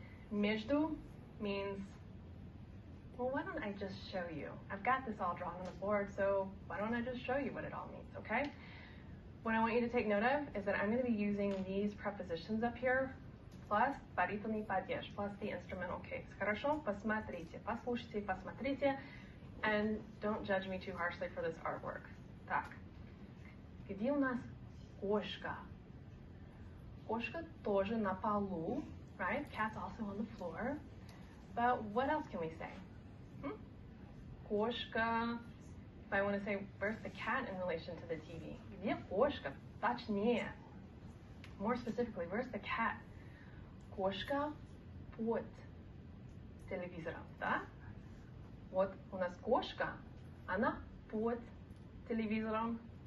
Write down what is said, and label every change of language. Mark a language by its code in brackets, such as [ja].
[en] Между means, well, why don't I just show you? I've got this all drawn on the board, so why don't I just show you what it all means, okay? What I want you to take note of is that I'm going to be using these prepositions up here, plus [ru] баритонный падеж, [en] plus the instrumental case. [ru] Хорошо? Посмотрите, послушайте, посмотрите. [en] And don't judge me too harshly for this artwork. [ru] Так. Где у нас кошка? Кошка тоже на полу, [en] right? Cat's also on the floor. But what else can we say? Кошка. If I want to say, where's the cat in relation to the TV? [ru] Где кошка? Точнее. [en] More specifically, where's the cat? [ru] Кошка под телевизором, да? Вот у нас кошка, она под телевизором.